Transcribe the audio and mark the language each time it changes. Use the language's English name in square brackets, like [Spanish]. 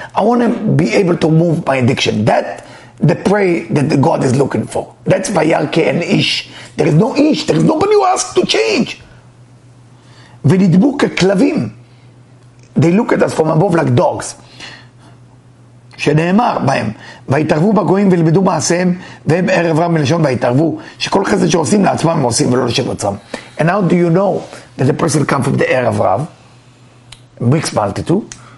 [English] I want to be able to move my addiction. That's the prayer that the God is looking for. That's by Yarke and Ish. There is no Ish. There is nobody who asks to change. Venidbuk Klavim. They look at us from above like dogs. [Hebrew] שנאמר בהם, והתערבו בגויים ולמדו מעשיהם, והם ערב רב מלשון והתערבו, שכל חסד שעושים לעצמם עושים ולא לשם עצמם. [English] And how do you know that the person comes from the ערב רב? Mixed multitude.